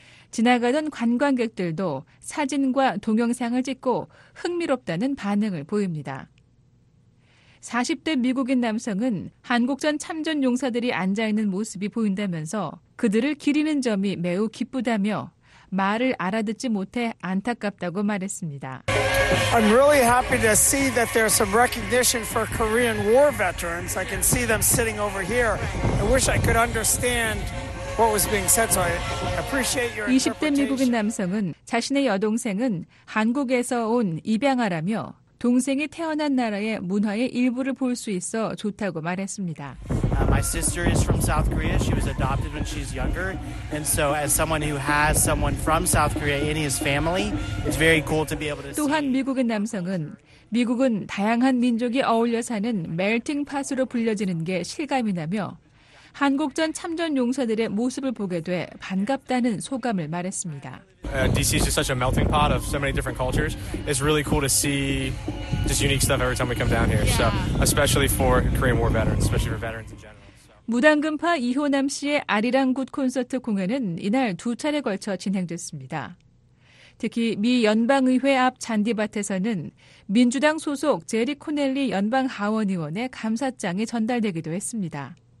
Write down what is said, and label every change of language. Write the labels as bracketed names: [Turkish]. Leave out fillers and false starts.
[Korean] 지나가던 관광객들도 사진과 동영상을 찍고 흥미롭다는 반응을 보입니다. 40대 미국인 남성은 한국전 참전 용사들이 앉아있는 모습이 보인다면서 그들을 기리는 점이 매우 기쁘다며 말을 알아듣지 못해 안타깝다고 말했습니다. [English] I'm really happy to see that there's some recognition for Korean War veterans. I can see them sitting over here. I wish I could understand what was being said, so I appreciate your interpretation. [Korean] 20대 미국인 남성은 자신의 여동생은 한국에서 온 입양아라며 동생이 태어난 나라의 문화의 일부를 볼 수 있어 좋다고 말했습니다. [English] My sister is from South Korea. She was adopted when she's younger. And so as someone who has someone from South Korea in his family, it's very cool to be able to see. [Korean] 또한 미국인 남성은 미국은 다양한 민족이 어울려 사는 멜팅 팟으로 불려지는 게 실감이라며 한국전 참전 용사들의 모습을 보게 돼 반갑다는 소감을 말했습니다. [English] DC is just such a melting pot of so many different cultures. It's really cool to see just unique stuff every time we come down here. So, especially for Korean War veterans, especially for veterans in general. [Korean] 무당금파 이호남 씨의 아리랑 굿 콘서트 공연은 이날 두 차례 걸쳐 진행됐습니다. 특히 미 연방의회 앞 잔디밭에서는 민주당 소속 제리 코넬리 연방 하원 의원의 감사장이 전달되기도 했습니다.